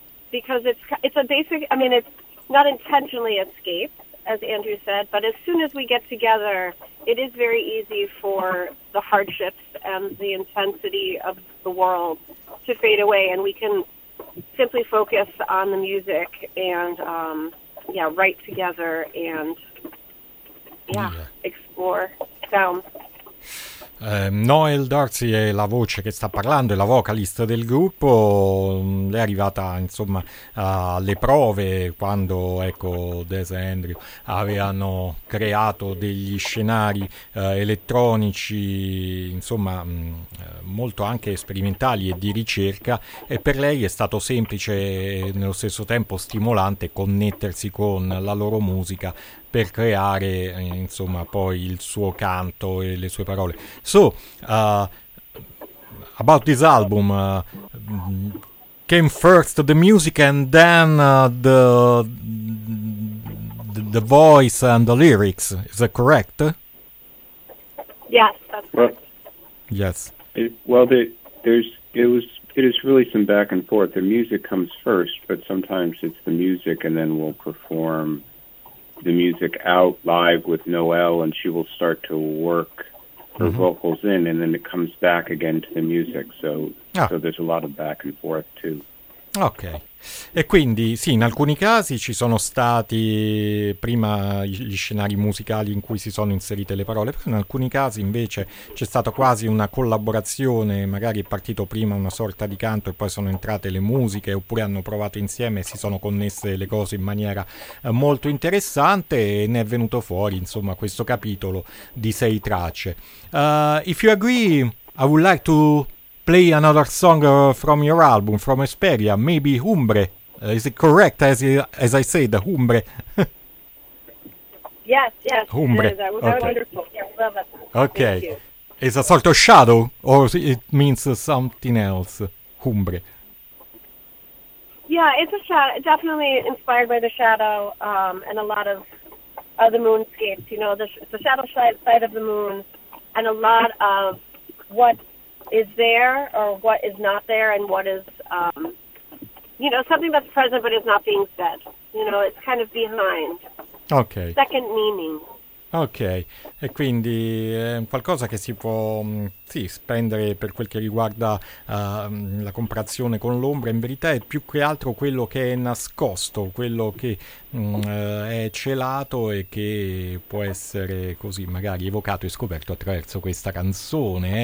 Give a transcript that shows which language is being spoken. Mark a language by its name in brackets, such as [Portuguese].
[English] because it's a basic, I mean, it's not intentionally escape, as Andrew said, but as soon as we get together, it is very easy for the hardships and the intensity of the world to fade away, and we can simply focus on the music and write together and explore sound. [Italian] Noel Darcy è la voce che sta parlando, è la vocalist del gruppo. Le è arrivata insomma alle prove quando, ecco, Des e Andrew avevano creato degli scenari elettronici, insomma molto anche sperimentali e di ricerca, e per lei è stato semplice e nello stesso tempo stimolante connettersi con la loro musica per creare insomma poi il suo canto e le sue parole. [English] So about this album, came first the music and then the voice and the lyrics, is that correct? Yes, that's correct. Well, yes. It is really some back and forth. The music comes first, but sometimes it's the music and then we'll perform the music out live with Noelle, and she will start to work her vocals in, and then it comes back again to the music. So there's a lot of back and forth too. Okay. [Italian] E quindi sì, in alcuni casi ci sono stati prima gli scenari musicali in cui si sono inserite le parole, però in alcuni casi invece c'è stata quasi una collaborazione, magari è partito prima una sorta di canto e poi sono entrate le musiche, oppure hanno provato insieme e si sono connesse le cose in maniera molto interessante, e ne è venuto fuori insomma questo capitolo di 6 tracce. [English] If you agree, I would like to play another song from your album, from Hesperia, maybe Umbre. Is it correct, as I said, Umbre? Yes, Umbre. Okay. Wonderful. Yeah, okay. It's a sort of shadow, or it means something else, Umbre? Yeah, it's a shadow, definitely inspired by the shadow and a lot of the moonscapes, you know, the shadow side of the moon, and a lot of what is there or what is not there, and what is something that's present but is not being said, you know, it's kind of behind. Okay. Second meaning. [Italian] Okay, e quindi è qualcosa che si può spendere per quel che riguarda la comparazione con l'ombra. In verità è più che altro quello che è nascosto, quello che è celato e che può essere così magari evocato e scoperto attraverso questa canzone.